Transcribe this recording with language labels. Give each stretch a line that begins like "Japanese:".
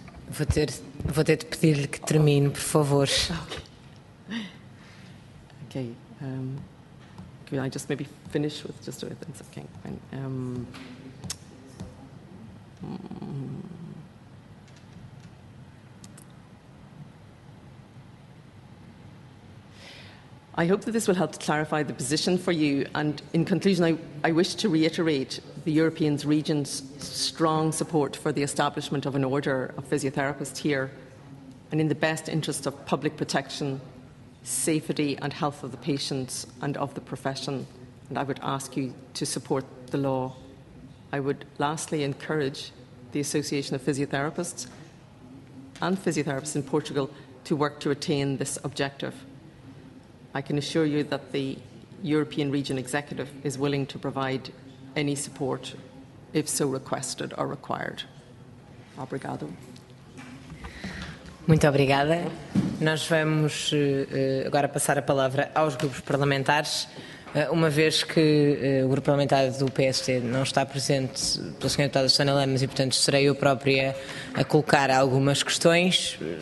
Portuguese: Vou ter de pedir-lhe que termine, por favor.
English: Okay. Could I just maybe finish with just a bit? Okay. I hope that this will help to clarify the position for you. And in conclusion, I wish to reiterate the European region's strong support for the establishment of an order of physiotherapists here and in the best interest of public protection, safety and health of the patients and of the profession. And I would ask you to support the law. I would lastly encourage the Association of Physiotherapists and physiotherapists in Portugal to work to attain this objective. I can assure you that the European Region Executive is willing to provide any support, if so requested or required.
Portuguese: Obrigado. Muito obrigada. Nós vamos agora passar a palavra aos grupos parlamentares. Uma vez que o grupo parlamentar do PSD não está presente pela Sra. Deputada Susana Lemos e, portanto, serei eu própria a colocar algumas questões.